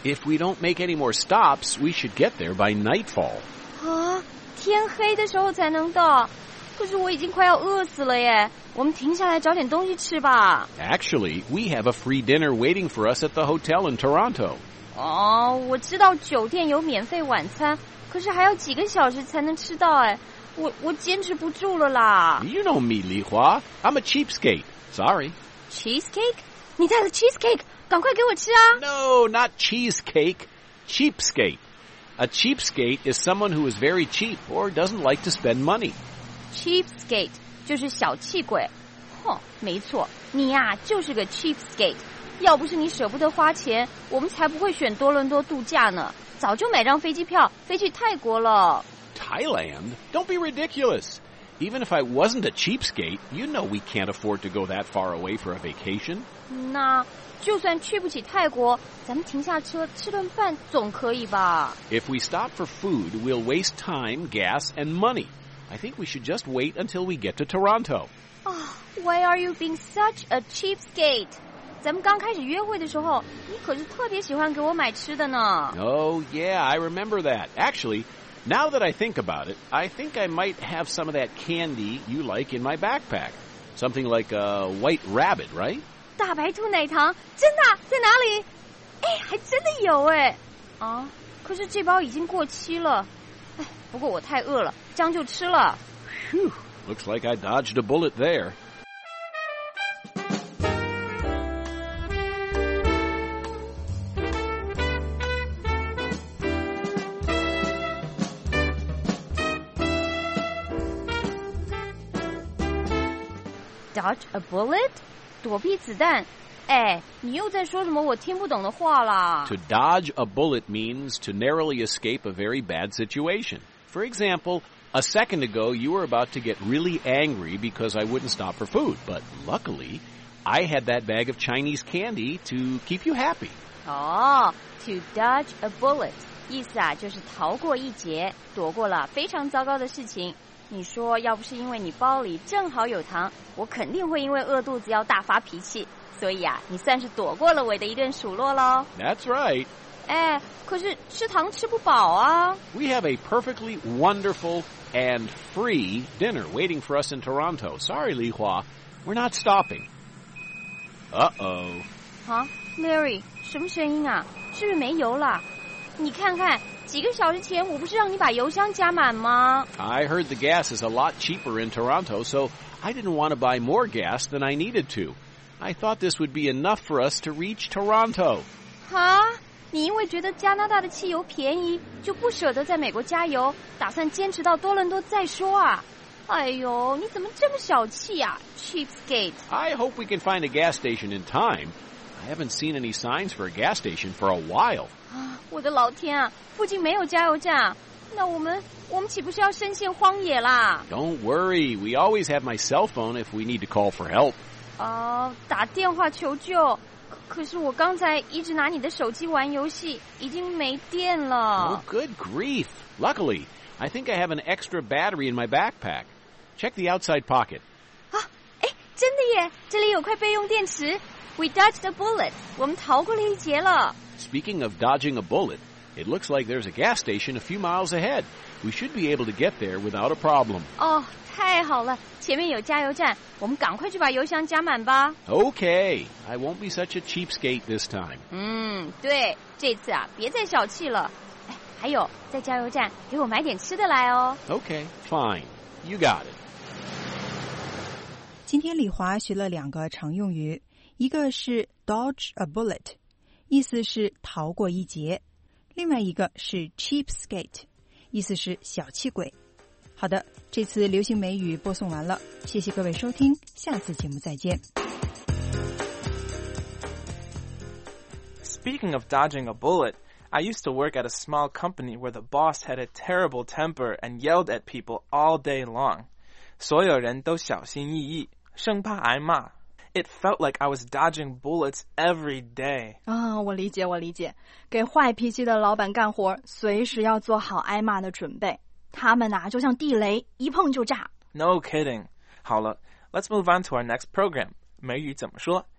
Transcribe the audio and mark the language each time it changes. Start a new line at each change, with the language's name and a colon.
English: If we don't make any more stops, we should get there by nightfall.
Chinese: 啊，天黑的时候才能到，可是我已经快要饿死了耶，我们停下来找点东西吃吧。
English: Actually, we have a free dinner waiting for us at the hotel in Toronto.
Chinese: 哦，我知道酒店有免费晚餐，可是还要几个小时才能吃到哎，我坚持不住了啦。
English: You know me, Li Hua. I'm a cheapskate. Sorry.
Chinese: Cheesecake? 你带了 cheesecake? 赶快给我吃啊。
English: No, not cheesecake. Cheapskate. A cheapskate is someone who is very cheap or doesn't like to spend money.
Chinese: Cheapskate 就是小气鬼，哼，没错，你呀、啊、就是个 cheapskate。要不是你舍不得花钱，我们才不会选多伦多度假呢，早就买张飞机票飞去泰国了。
English: Thailand? Don't be ridiculous. Even if I wasn't a cheapskate, you know we can't afford to go that far away for a vacation.
Chinese: 那就算去不起泰国，咱们停下车吃顿饭总可以吧
English: ？If we stop for food, we'll waste time, gas, and money. I think we should just wait until we get to Toronto. Oh, why are you being such a cheapskate?
Chinese: 咱们刚开始约会的时候，你可是特别喜欢给我买吃的呢。
English: Oh, yeah, I remember that. Actually, now that I think about it, I think I might have some of that candy you like in my backpack. Something like a white rabbit, right?
Chinese: 大白兔奶糖，真的，在哪里？哎，还真的有哎。啊，可是这包已经过期了。哎，不过我太饿了，将就吃了。
English: Phew, looks like I dodged a bullet there. Dodge a bullet?
Chinese: 躲避子弹？哎，你又在说什么我听不懂的话啦。
English: To dodge a bullet means to narrowly escape a very bad situation. For example, a second ago, you were about to get really angry because I wouldn't stop for food. But luckily, I had that bag of Chinese candy to keep you happy. Oh, to dodge a bullet.
Chinese: 意思啊，就是逃过一劫，躲过了非常糟糕的事情。你说要不是因为你包里正好有糖，我肯定会因为饿肚子要大发脾气。所以啊，你算是躲过了我的一顿数落咯。
English: That's right.
Chinese: 哎，可是吃糖吃不饱啊。
English: We have a perfectly wonderful and free dinner waiting for us in Toronto. Sorry, Li Hua. We're not stopping. Uh-oh.
Chinese: Huh? Larry, 什么声音啊？是不是没油了？你看看，几个小时前我不是让你把油箱加满吗？
English: I heard the gas is a lot cheaper in Toronto, so I didn't want to buy more gas than I needed to. I thought this would be enough for us to reach Toronto. Huh?
Chinese: 你因为觉得加拿大的汽油便宜，就不舍得在美国加油，打算坚持到多伦多再说啊？哎呦，你怎么这么小气啊， Cheapskate?
English: I hope we can find a gas station in time. I haven't seen any signs for a gas station for a while.
Chinese: 我的老天啊，附近没有加油站，那我们岂不是要身陷荒野啦？
English: Don't worry, we always have my cell phone if we need to call for help.
Chinese: 打电话求救，可是我刚才一直拿你的手机玩游戏，已经没电了。
English: Oh, good grief. Luckily, I think I have an extra battery in my backpack. Check the outside pocket.
Chinese: 啊，哎，真的耶，这里有块备用电池。
English: We dodged a bullet.
Chinese: 我们逃过了一劫了。
English: Speaking of dodging a bullet, it looks like there's a gas station a few miles ahead. We should be able to get there without a problem.
Chinese: Oh, 太好了，前面有加油站，我们赶快去把油箱加满吧。
English: Okay, I won't be such a cheapskate this time.
Chinese: 对，这次啊，别再小气了。哎，还有，在加油站给我买点吃的来哦。
English: Okay, fine. You got it.
Chinese: 今天李华学了两个常用语，一个是
English: dodge a bullet。
Chinese: 意思是逃过一劫，另外一个是 cheapskate， 意思是小气鬼。好的，这次流行美语播送完了，谢谢各位收听，下次节目再见。
English: Speaking of dodging a bullet, I used to work at a small company where the boss had a terrible temper and yelled at people all day long.
Chinese: 所有人都小心翼翼，生怕挨骂。
English: It felt like I was dodging bullets every day.
Chinese: 啊，我理解，我理解。给坏脾气的老板干活，随时要做好挨骂的准备。他们啊，就像地雷，一碰就炸。
English: No kidding.
Chinese: 好了
English: ，Let's move on to our next program.
Chinese: 美语怎么说？